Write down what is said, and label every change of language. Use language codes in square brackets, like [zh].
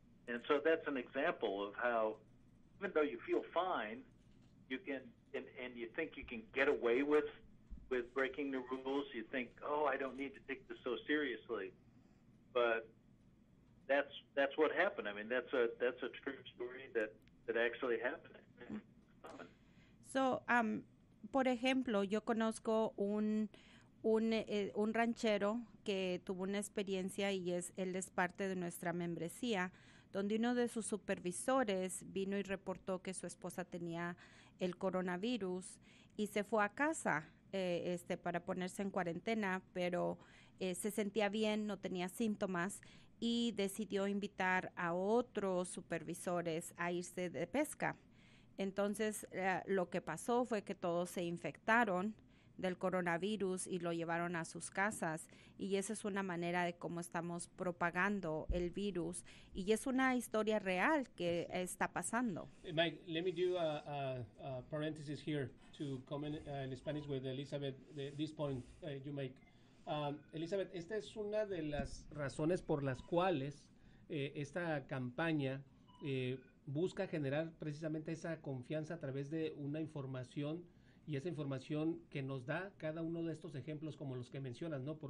[en] And so that's an example of how, even though you feel fine, you can, and you think you can get away with breaking the rules, you think, oh, I don't need to take this so seriously. But that's what happened. I mean, that's a true story that actually happened. [es] So, por ejemplo, yo conozco un ranchero que tuvo una experiencia y él es parte de nuestra membresía, donde uno de sus supervisores vino y reportó que su esposa tenía el coronavirus y se fue a casa para ponerse en cuarentena, pero se sentía bien, no tenía síntomas, y decidió invitar a otros supervisores a irse de pesca. Entonces, lo que pasó fue que todos se infectaron del coronavirus y lo llevaron a sus casas, y esa es una manera de cómo estamos propagando el virus, y es una historia real que está pasando. [en] Mike, let me do a parenthesis here to comment in Spanish with Elizabeth this point you make. [es] Elizabeth, esta es una de las razones por las cuales esta campaña busca generar precisamente esa confianza a través de una información. Y esa información que nos da cada uno de estos ejemplos como los que mencionas, ¿no?